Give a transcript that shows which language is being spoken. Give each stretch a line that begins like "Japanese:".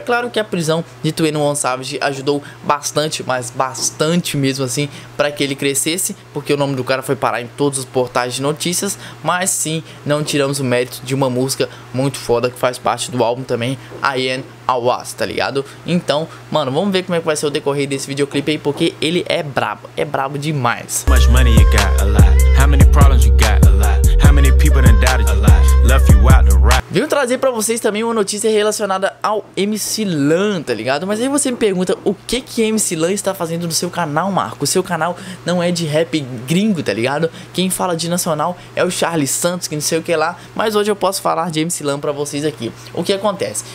Portuguese: É claro que a prisão de 21 Savage ajudou bastante, mas bastante mesmo assim, para que ele crescesse, porque o nome do cara foi parar em todos os portais de notícias, mas sim, não tiramos o mérito de uma música muito foda que faz parte do álbum também, I Am A Was, tá ligado? Então, mano, vamos ver como é que vai ser o decorrer desse videoclipe aí, porque ele é brabo demais.
English: How much money you got? A lot. How many problems you got? A lot. How many people done doubted? A lot.
Portuguese: Venho trazer pra vocês também uma notícia relacionada ao MC Lan, tá ligado? Mas aí você me pergunta, o que que MC Lan está fazendo no seu canal, Marco? O seu canal não é de rap gringo, tá ligado? Quem fala de nacional é o Charles Santos, que não sei o que lá. Mas hoje eu posso falar de MC Lan pra vocês aqui. O que acontece?